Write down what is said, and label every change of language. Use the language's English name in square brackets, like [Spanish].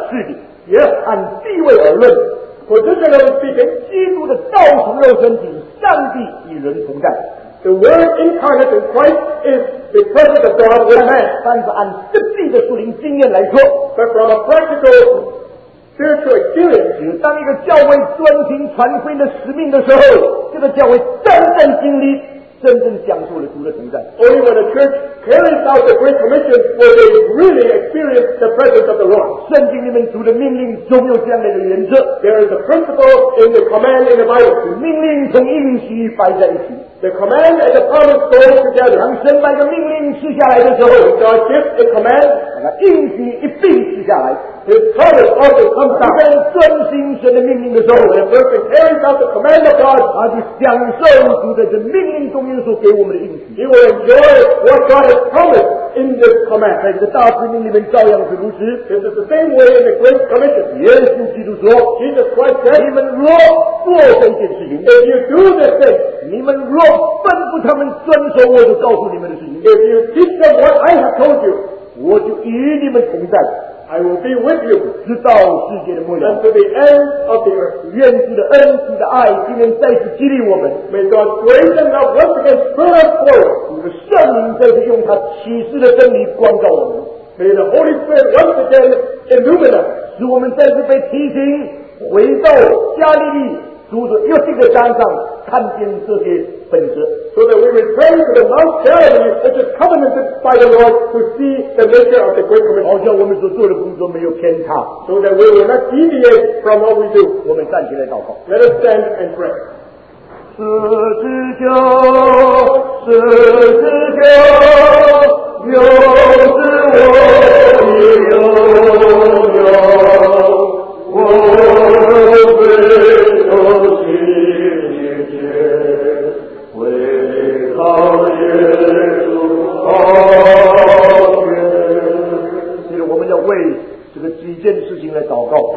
[Chinese] 是的。 [English] Yes. [Chinese] 按地位而论 [English] ，positionally speaking, [Chinese] 基督的道成肉身体，上帝与人同在。 [English] The Word incarnate in Christ is the presence of God with man. [Chinese] 但是按实际的属灵经验来说 [English] ，but from a practical spiritual experience, [Chinese] 当一个教会专心传福音的使命的时候，这个教会真正经历。真正享受了主的同在。 [English] Only when the church carries out the Great Commission will they really experience the presence of the Lord. [Chinese] 圣经里面主的命令总有这样的原则。 [English] There is a principle in the command in the Bible. [Chinese] 命令同应许摆在一起。 [English] The command and the promise go together. [Chinese] 当神把一个命令赐下来的时候 [English] ，God gives a command. [Chinese] 那应许一并赐下来。 [English] His promise also comes down. [Chinese] 当遵行神的命令的时候 [English] ，When a person carries out the command of God, [Chinese] 他就享受主的这命令中耶稣给我们的应许。 [English] He will enjoy what God has promised in this command. [Chinese] 在这大使命里面照样是如此。 [English] This is the same way in the Great Commission. [Chinese] 耶稣基督说 [English] ，Jesus Christ said, [Chinese] 你们若做这件事情 [English] ，If you do this thing, [Chinese] 你们若吩咐他们遵守我所告诉你们的事情 [English] ，If you teach them what I have told you, [Chinese] 我就与你们同在。 [English] I will be with you. [Chinese] 直到世界的末了, [English] and to the end of the earth. [Chinese] 愿主的恩主的爱, 今天再次激励我们, [English] may God grace and love once again spur us forward. [Chinese] 圣灵再次用他启示的真理光照我们, [English] may the Holy Spirit once again illumine us. [Chinese] 使我们再次被提醒, 回到加利利, 主的又一个山上, 看见这些本质, [English] so that we return to the Mount Galilee, which is covenanted by the Lord, to see the nature of the Great Commission. [Chinese] 好像我们所做的工作没有偏差, [English] so that we will not deviate from what we do. [Chinese] 我们站起来祷告, [English] let us stand and pray. [Chinese] 十字架, 十字架, 我们要为这个几件事情来祷告。